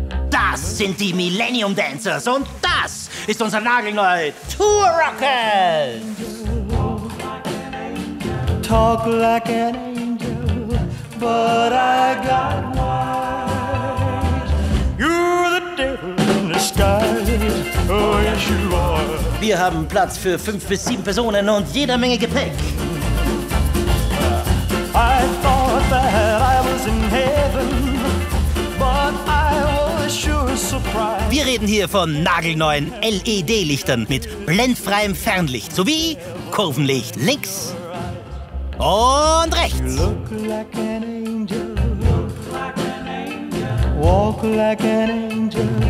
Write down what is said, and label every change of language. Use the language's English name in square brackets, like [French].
[German] Das sind die Millennium Dancers und das ist unser nagelneuer Tour Rocket. [English] Talk like an angel, but I got wise. You're the devil in disguise. Oh yes you are. [German] Wir haben Platz für 5 bis 7 Personen und jede Menge Gepäck. [English] I thought that I was in heaven, but I was sure surprised. [German] Wir reden hier von nagelneuen LED-Lichtern mit blendfreiem Fernlicht sowie Kurvenlicht links und rechts. [English] Look like an angel, walk like an angel.